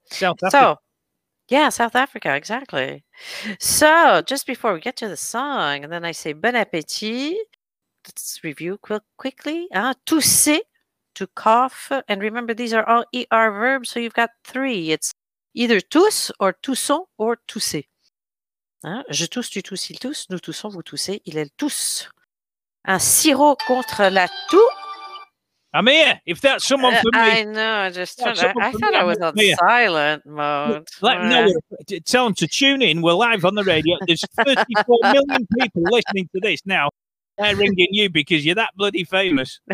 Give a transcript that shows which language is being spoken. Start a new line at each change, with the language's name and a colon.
English: South Africa, exactly. So just before we get to the song, and then I say bon appétit, let's review quickly. Tousser. To cough, and remember these are all ER verbs, so you've got three. It's either tous or toussons or tousser. Hein?
French: Je tousse, tu tousses, il tousse, nous toussons, vous toussez, il elle tousse. Un sirop contre la toux.
English: I'm here. If that's someone for me. I know, I thought I was on silent mode. Tell them to tune in. We're live on the radio. There's 34 million people listening to this now. They're ringing you because you're that bloody famous.